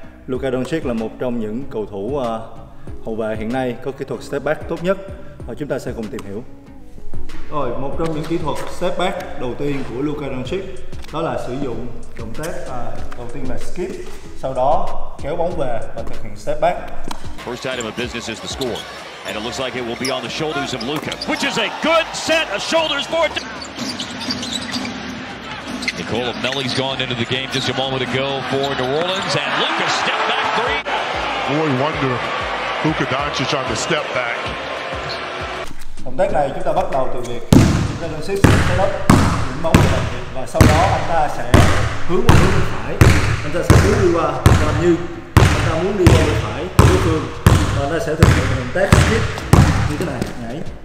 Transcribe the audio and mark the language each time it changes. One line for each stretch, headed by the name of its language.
Vietnamese: Luka Doncic là một trong những cầu thủ hậu vệ hiện nay có kỹ thuật step back tốt nhất. Và chúng ta sẽ cùng tìm hiểu. Rồi, một trong những kỹ thuật step back đầu tiên của Luka Doncic đó là sử dụng động tác đầu tiên là skip, sau đó kéo bóng về và thực hiện step back.
English: First item of business is the score, and it looks like it will be on the shoulders of Luka, which is a good set of shoulders for it. Nikola Melli's gone into the game just a moment ago for New Orleans, and Luka step back three. Boy wonder, Luka Doncic on the step back.
Vietnamese: Động tác này chúng ta bắt đầu từ việc Luka Doncic sẽ đón những bóng về và sau đó anh ta sẽ hướng qua hướng bên phải. Anh ta sẽ hướng đi qua làm như anh ta muốn đi qua bên phải đối phương và anh ta sẽ thực hiện động tác skip như thế này nhảy.